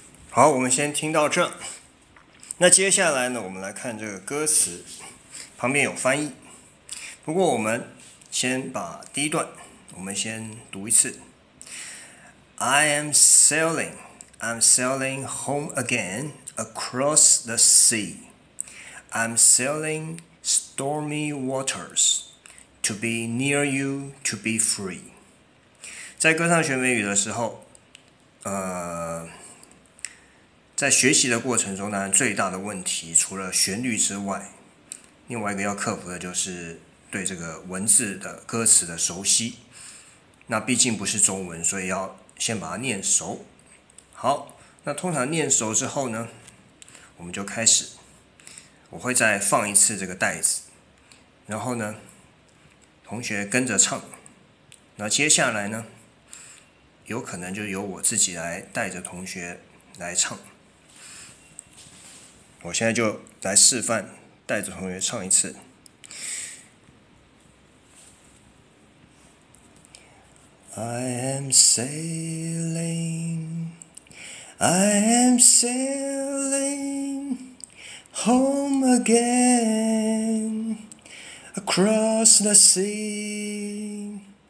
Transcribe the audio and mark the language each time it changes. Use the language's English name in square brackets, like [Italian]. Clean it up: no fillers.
[Chinese] 好，我们先听到这。那接下来呢，我们来看这个歌词，旁边有翻译。不过我们先把第一段，我们先读一次。 [English] I am sailing, I'm sailing home again across the sea. I'm sailing stormy waters to be near you, to be free. [Chinese] 在歌唱学美语的时候，在学习的过程中呢，最大的问题除了旋律之外，另外一个要克服的就是对这个文字的歌词的熟悉。那毕竟不是中文，所以要先把它念熟。好，那通常念熟之后呢，我们就开始，我会再放一次这个带子，然后呢同学跟着唱。那接下来呢，有可能就由我自己来带着同学来唱。我现在就来示范，带着同学唱一次。 [English] I am sailing, I am sailing home again across the sea.